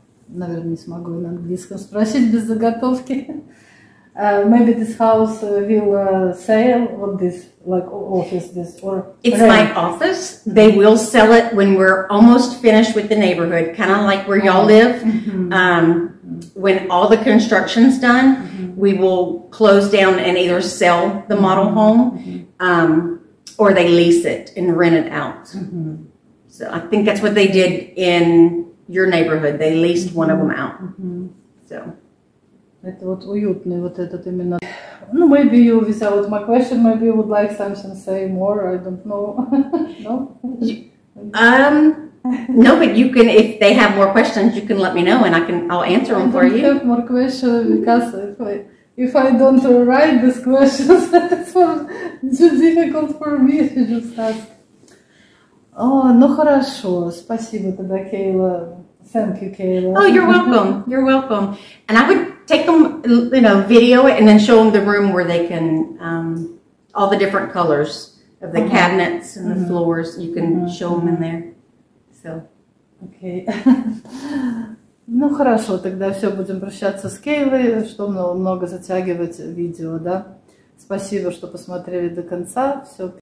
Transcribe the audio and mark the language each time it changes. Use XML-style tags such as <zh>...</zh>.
<ru>Наверное, не смогу на английском спросить без заготовки.</ru> <en>Maybe this house will sell, or this like office, this or it's my office. They will sell it when we're almost finished with the neighborhood, kind of like where y'all live. When all the construction's done, we will close down and either sell the model home, or they lease it and rent it out. So I think that's what they did in your neighborhood. They leased one of them out. So.</en> <ru>Это вот уютный вот этот именно.</ru> <en>Ну, maybe you without my question, maybe you would like something to say more. I don't know. No. No, but you can. If they have more questions, you can let me know, and I'll answer them for you. I don't have more questions because if I don't write these questions, it's too difficult for me to just ask.</en> <ru>Oh, ну хорошо. Спасибо тогда, Кейла.</ru> <en>Thank you, Kayla. Oh, you're welcome. You're welcome. And I would take them, you know, video it and then show them the room where they can, all the different colors of the cabinets and the floors. You can show them in there. So. Okay.</en> <ru>Ну хорошо, тогда все, будем прощаться с Кейлой, что много затягивать видео, да? Спасибо, что посмотрели до конца. Все.</ru>